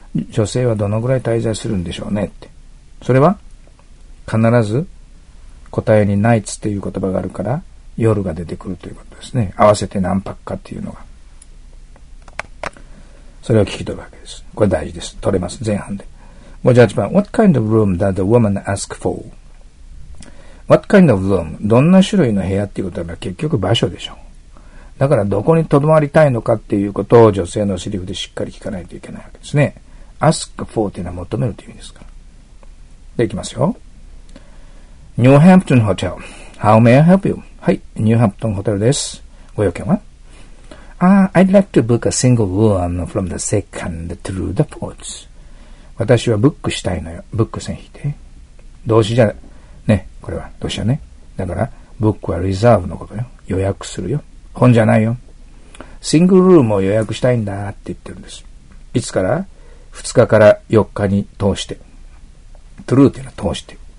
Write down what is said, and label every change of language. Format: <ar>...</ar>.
<ja>女性はどのぐらい滞在するんでしょうねって。それは必ず答えに nights っていう言葉があるから夜が出てくるということですね。合わせて何泊かっていうのが。それを聞き取るわけです。これ大事です。取れます。前半で。</ja> <en>58番、What kind of room does the woman ask for? What kind of room?</en> <ja>どんな種類の部屋っていうことは結局場所でしょう。だからどこに留まりたいのかっていうことを女性のセリフでしっかり聞かないといけないわけですね。 ask for というのは求めるという意味ですから。で、いきますよ。New Hampton Hotel.</ja> <en>How may I help you?</en> <ja>はい、ニューハンプトンホテルです。ご用件は</ja> <en>I'd like to book a single room from the second through the fourth.</en> <ja>私はブックしたいのよ。ブック線引いて。動詞じゃない。ね、これは、どうしようね。だから、ブックはリザーブのことよ。予約するよ。本じゃないよ。シングルルームを予約したいんだって言ってるんです。いつから ?2 日から4日に通して。トゥルーっていうのは通して。</ja>